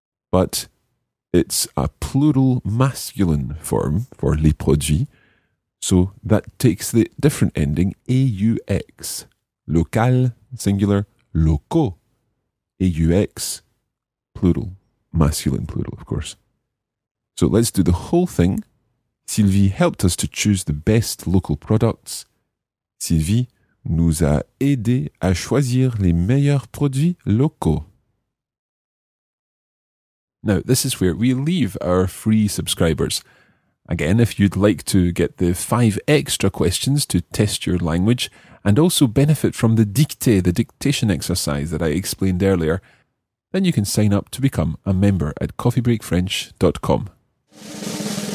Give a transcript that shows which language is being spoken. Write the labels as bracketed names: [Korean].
[English] But it's a plural masculine form for [French] les produits, [English] so that takes the different ending, A-U-X. Local, singular, locaux, A-U-X, plural, masculine plural, of course. So let's do the whole thing. Sylvie helped us to choose the best local products. [French] Sylvie nous a aidé à choisir les meilleurs produits locaux. [English] Now, this is where we leave our free subscribers. Again, if you'd like to get the 5 extra questions to test your language and also benefit from the dictée, the dictation exercise that I explained earlier, then you can sign up to become a member at coffeebreakfrench.com.